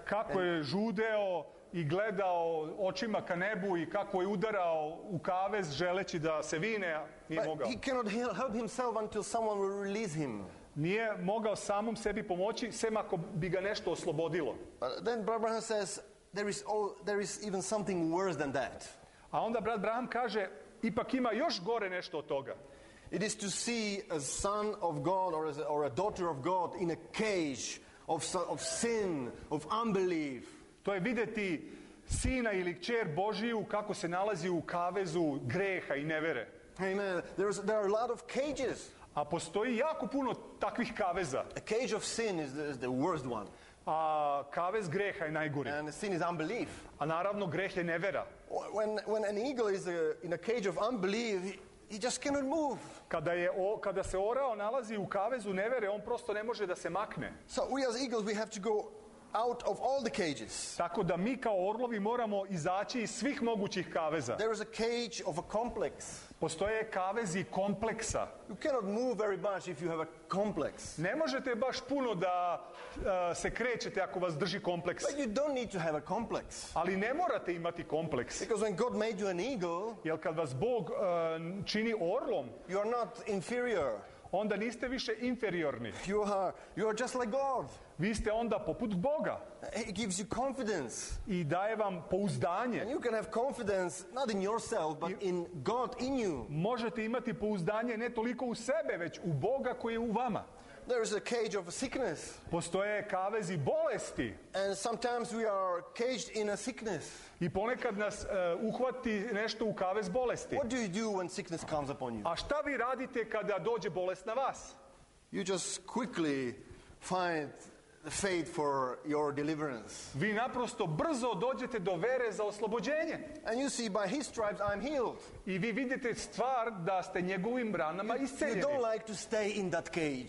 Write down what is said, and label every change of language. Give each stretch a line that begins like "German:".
Serbian: Kako je žudeo i gledao očima ka nebu i kako je udarao u kavez želeći da se vine, nije
English: But
Serbian: mogao.
English: He cannot help himself until someone will release him.
Serbian: Nije mogao samom sebi pomoći, sem ako bi ga nešto oslobodilo.
English: But then Brother Branham says, there is even something worse than that.
Serbian: A onda Brat Branham kaže, ipak ima još gore nešto od toga.
English: It is to see a son of God or a daughter of God in a cage of sin, of unbelief.
Serbian: To je videti sina ili kćer Božiju kako se nalazi u kavezu greha i nevere.
English: Amen. There are a lot of cages.
Serbian: A postoji jako puno takvih kaveza.
English: A cage of sin is the worst one.
Serbian: A kavez greha je najgori.
English: And sin is unbelief.
Serbian: A naravno greh je nevera.
English: When an eagle is in a cage of unbelief, he just cannot move.
Serbian: Kada se orao nalazi u kavezu nevere, on prosto ne može da se makne.
English: So we as eagles we have to go out of all the cages.
Serbian: Tako da mi kao orlovi moramo izaći iz svih mogućih kaveza.
English: There is a cage of a complex.
Serbian: Postoje kavezi kompleksa.
English: You cannot move very much if you have a complex.
Serbian: Ne možete baš puno da se krećete ako vas drži kompleks.
English: But you don't need to have a complex.
Serbian: Ali ne morate imati kompleks.
English: Because when God made you an eagle,
Serbian: jer kad vas Bog čini orlom,
English: you are not inferior.
Serbian: Onda niste više inferiorni.
English: You are just like God.
Serbian: Vi ste onda poput Boga.
English: He gives you confidence.
Serbian: I daje vam pouzdanje.
English: And you can have confidence not in yourself but in God in you.
Serbian: Možete imati pouzdanje ne toliko u sebe već u Boga koji je u vama.
English: There is a cage of sickness.
Serbian: Postoje kavezi bolesti.
English: And sometimes we are caged in a sickness.
Serbian: I ponekad nas uhvati nešto u kavez bolesti.
English: What do you do when sickness comes upon you?
Serbian: A šta vi radite kada dođe bolest na vas?
English: You just quickly find faith for your deliverance.
Serbian: Vi naprosto brzo dođete do vere za oslobođenje.
English: And you see by his stripes I'm healed.
Serbian: I vi vidite stvar da ste njegovim ranama isceljeni.
English: You don't like to stay in that cage.